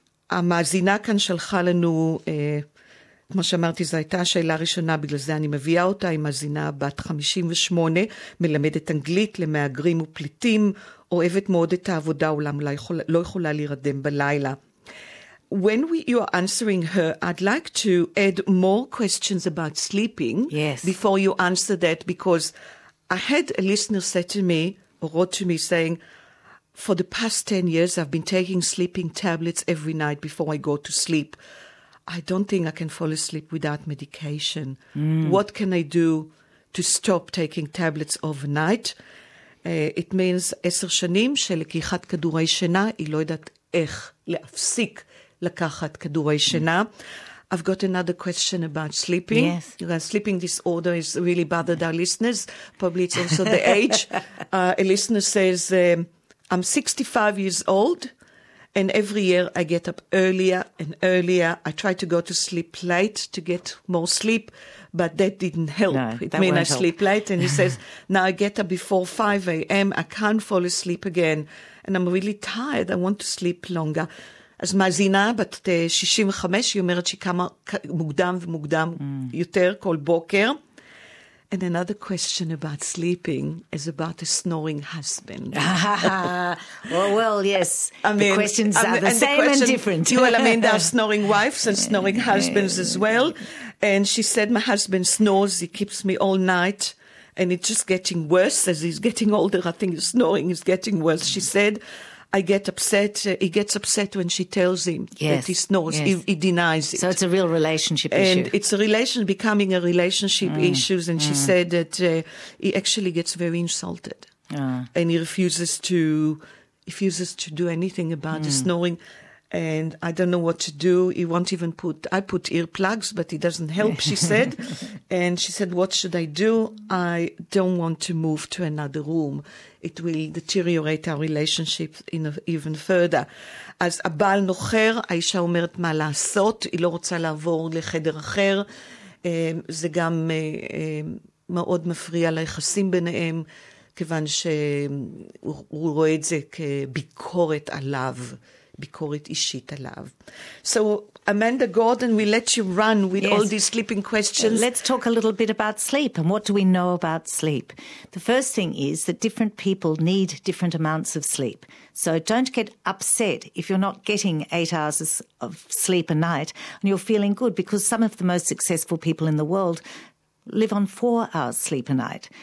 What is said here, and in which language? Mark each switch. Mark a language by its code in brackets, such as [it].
[he] המאזינה כאן שלחה לנו, כמו שאמרתי, זו הייתה השאלה הראשונה, בגלל זה אני מביאה אותה, היא מאזינה בת 58, מלמדת אנגלית למאגרים ופליטים, אוהבת מאוד את העבודה, אולם לא יכולה להירדם בלילה. [en] When you are answering her, I'd like to add more questions about sleeping. Yes. Before you answer that, because I had a listener say to me, or wrote to me saying, for the past 10 years, I've been taking sleeping tablets every night before I go to sleep. I don't think I can fall asleep without medication. What can I do to stop taking tablets overnight? It means [he] 10 שנים שלקיחת כדורי שינה, היא לא יודעת איך להפסיק. לקחת כדורי שינה. [en] I've got another question about sleeping. Yes. Sleeping disorder has really bothered our listeners. Probably it's also the age. A listener says, I'm 65 years old, and every year I get up earlier and earlier. I try to go to sleep late to get more sleep, but that didn't help. No, it means I sleep late. And he says, now I get up before 5 a.m. I can't fall asleep again, and I'm really tired. I want to sleep longer. [he] אז מאזינה בת 65, היא אומרת שהיא קמה מוקדם ומוקדם יותר כל בוקר. [en] And another question about sleeping is about a snoring husband. Well, yes. The questions are the same and different. Well, I mean, there are snoring wives and snoring husbands as well. And she said, my husband snores. He keeps me all night. And it's just getting worse as he's getting older. I think snoring is getting worse. She said, I get upset. He gets upset when she tells him that he snores. Yes. He denies it. So it's a real relationship issue. And it's a relation becoming a relationship issues. And she said that he actually gets very insulted. And he refuses to do anything about the snoring. And I don't know what to do. He won't even put, I put earplugs, but it doesn't help, she said. And she said, what should I do? I don't want to move to another room. It will deteriorate our relationship even further. [he] אז הבעל נוחר, האישה אומרת מה לעשות, היא לא רוצה לעבור לחדר אחר. זה גם מאוד מפריע ליחסים ביניהם, כיוון שהוא רואה את זה כביקורת עליו. ביקורת אישית עליו. [en] So, Amanda Gordon, we let you run with all these sleeping questions. Let's talk a little bit about sleep and what do we know about sleep. The first thing is that different people need different amounts of sleep. So don't get upset if you're not getting 8 hours of sleep a night and you're feeling good because some of the most successful people in the world live on 4 hours sleep a night.